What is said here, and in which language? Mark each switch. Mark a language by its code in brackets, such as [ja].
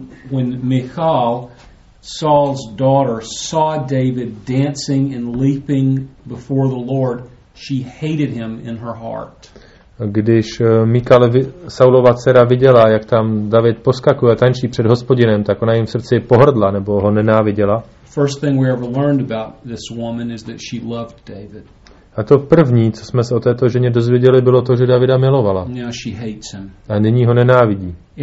[en] When Michal, Saul's daughter, saw David dancing and leaping before the Lord, she hated him in her heart. [cs] Když Michal, Saulova dcera, viděla, jak tam David poskakuje a tančí před Hospodinem, tak ona jim v srdci pohrdla nebo ho nenáviděla. [en] First thing we ever learned about this woman is that she loved David. [cs] A to první, co jsme se o této ženě dozvěděli, bylo to, že Davida milovala. A nyní ho nenávidí.